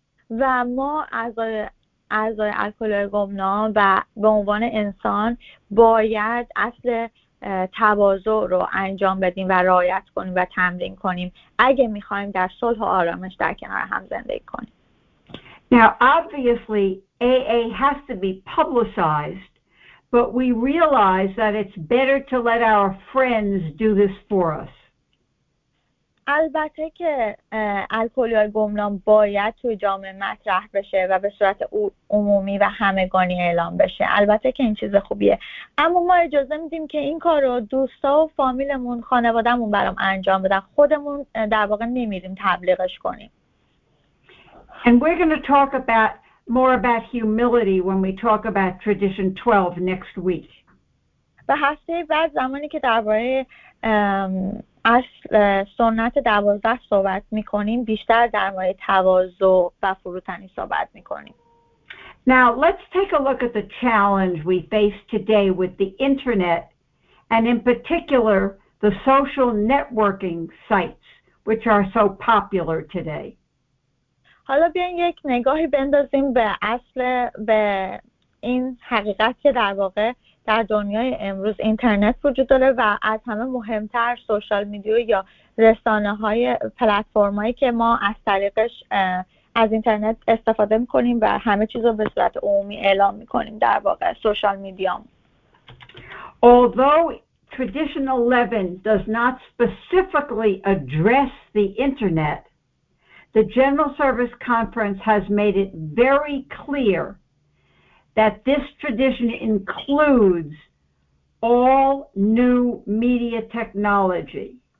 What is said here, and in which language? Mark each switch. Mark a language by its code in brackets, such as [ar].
[fa] و ما اعضای الکلی گمنام و به عنوان انسان باید اصل تواضع رو انجام بدیم و رعایت کنیم و تمرین کنیم اگه میخوایم در صلح و آرامش در کنار هم زندگی کنیم. [en] Now obviously AA has to be publicized, but we realize that it's better to let our friends do this for us. [fa] البته که الکلی‌های گمنام باید توی جامعه مطرح بشه و به صورت عمومی و همگانی اعلام بشه. البته که این چیز خوبیه. اما ما اجازه میدیم که این کار رو دوستا و فامیلمون، خانوادمون برام انجام بدن. خودمون در واقع نمیریم تبلیغش کنیم. [en] And we're going to talk about more about humility when we talk about tradition 12 next week. [fa] به هفته بعد زمانی که درباره اصل سنت 12 صحبت می‌کنیم بیشتر درباره تواضع و فروتنی صحبت می‌کنیم. [en] Now let's take a look at the challenge we face today with the internet and in particular the social networking sites which are so popular today. [fa] حالا بیاین یک نگاهی بندازیم به اصل به این حقیقت که در واقع در دنیای امروز اینترنت وجود داره و از همه مهمتر سوشال میدیو یا رسانه‌های پلتفرمایی که ما از طریقش از اینترنت استفاده می‌کنیم و همه چیز رو به صورت عمومی اعلام می‌کنیم در واقع سوشال میدیام. [en] Although tradition 11 does not specifically address the internet, the General Service Conference has made it very clear that this tradition includes all new media technology.